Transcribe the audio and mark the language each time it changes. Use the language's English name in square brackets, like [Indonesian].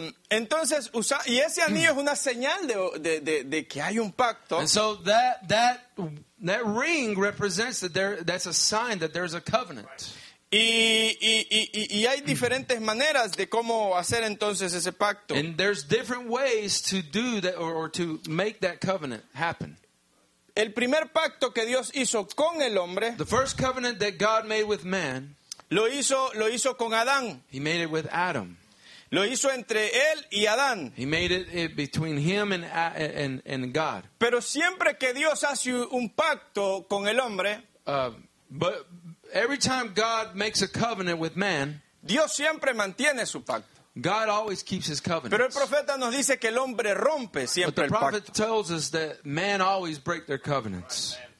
[Spanish] Entonces usa y ese anillo es una señal de que hay un pacto. [English] And so that ring represents that's a sign that there's a covenant. [Spanish] Y hay diferentes maneras de cómo hacer entonces ese pacto. [English] And there's different ways to do that or to make that covenant happen. [Spanish] El primer pacto que Dios hizo con el hombre. [English] The first covenant that God made with man. [Spanish] Lo hizo con Adán. [English] He made it with Adam. [Spanish] Lo hizo entre él y Adán. [English] He made it between him and God. [Spanish] Pero siempre que Dios hace un pacto con el hombre, [English] but every time God makes a covenant with man, [Spanish] Dios siempre mantiene su pacto. [English] God always keeps his covenant. [Spanish] Pero el profeta nos dice que el hombre rompe siempre el pacto. [English] But the prophet tells us that man always breaks their covenants.